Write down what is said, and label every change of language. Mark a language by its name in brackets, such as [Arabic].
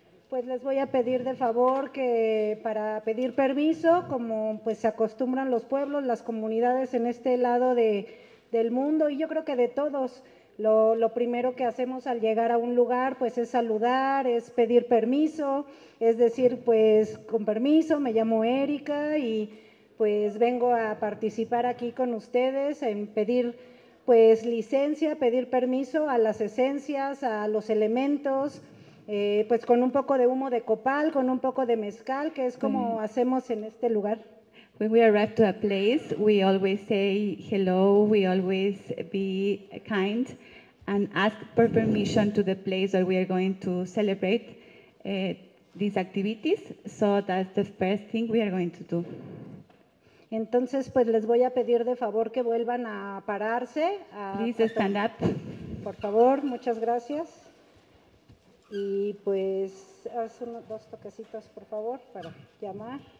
[Spanish] Pues les voy a pedir de favor que para pedir permiso, como pues se acostumbran los pueblos, las comunidades en este lado del mundo y yo creo que de todos, lo primero que hacemos al llegar a un lugar pues es saludar, es pedir permiso, es decir, pues con permiso, me llamo Erika y pues vengo a participar aquí con ustedes en pedir pues licencia, pedir permiso a las esencias, a los elementos. Pues con un poco de humo de copal, con un poco de mezcal, que es como hacemos en este lugar. [English] When we arrive to a place, we always say hello, we always be kind and ask for permission to the place where we are going to celebrate these activities. So that's the first thing we are going to do. [Spanish] Entonces, pues les voy a pedir de favor que vuelvan a pararse. [English] Please stand up. [Spanish] Por favor, muchas gracias. Y pues haz unos dos toquecitos, por favor, para llamar.